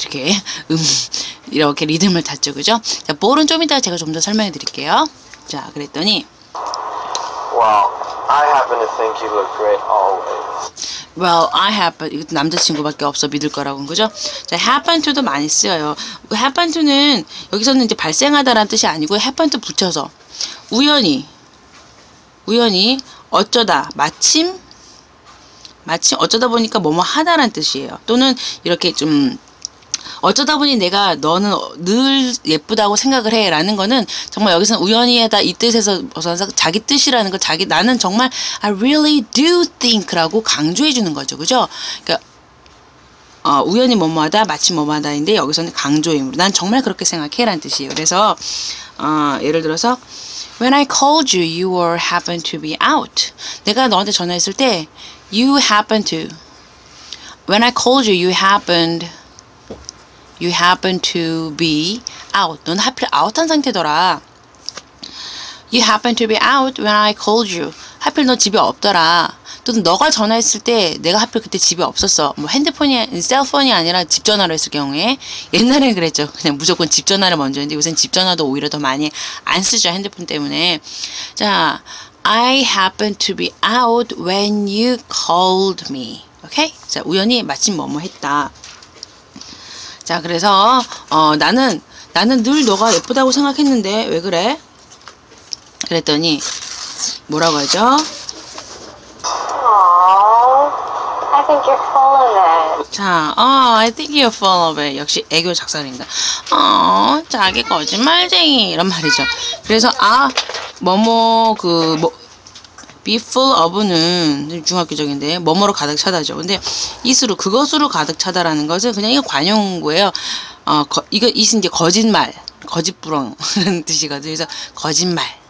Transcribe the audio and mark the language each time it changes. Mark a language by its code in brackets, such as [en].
[ko] 이렇게 이렇게 리듬을 탔죠. 그죠? 자, 볼은 좀 이따 제가 좀 더 설명해 드릴게요. 자, 그랬더니 [en] Well, I happen to think you look great always. Well, I happen, [ko] 이것도 남자친구밖에 없어 믿을 거라고, 그죠? 자, happen to도 많이 쓰여요. happen to는 여기서는 이제 발생하다라는 뜻이 아니고 happen to 붙여서 우연히 어쩌다, 마침 어쩌다 보니까 뭐뭐 하다라는 뜻이에요. 또는 이렇게 좀 어쩌다 보니 내가 너는 늘 예쁘다고 생각을 해라는 거는 정말 여기서는 우연히에다 이 뜻에서 벗어나서 자기 뜻이라는 걸 자기 나는 정말 [en] I really do think [ko] 라고 강조해 주는 거죠. 그죠? 그러니까 우연히 뭐뭐하다 마침 뭐뭐하다인데 여기서는 강조임으로 난 정말 그렇게 생각해라는 뜻이에요. 그래서 예를 들어서 [en] When I called you, you were happen to be out. [ko] 내가 너한테 전화했을 때 [en] You happen to When I called you, you happened You happen to be out. [ko] 넌 하필 아웃한 상태더라. [en] You happen to be out when I called you. [ko] 하필 너 집에 없더라. 또는 너가 전화했을 때 내가 하필 그때 집에 없었어. 뭐 핸드폰이, 셀폰이 아니라 집전화로 했을 경우에 옛날에 그랬죠. 그냥 무조건 집전화를 먼저 했는데 요새는 집전화도 오히려 더 많이 안 쓰죠. 핸드폰 때문에. [en] 자, I happen to be out when you called me. [ko] 오케이? 자, 우연히 마침 뭐뭐 했다. 자, 그래서 나는 늘 너가 예쁘다고 생각했는데 왜 그래? 그랬더니 뭐라고 하죠? [en] Oh, think you're full of it. 자, oh, I think you're full of it. [ko] 역시 애교 작살인다. 어, oh, 자기 거짓말쟁이 이런 말이죠. 그래서 아, 뭐뭐 그 뭐 be full of는 중학교적인데 뭐뭐로 가득 차다죠. 근데 is로 그것으로 가득 차다라는 것은 그냥 이거 관용구예요. 어, 거, 이거 is 이제 거짓말, 거짓부렁이라는 뜻이거든요. 그래서 거짓말.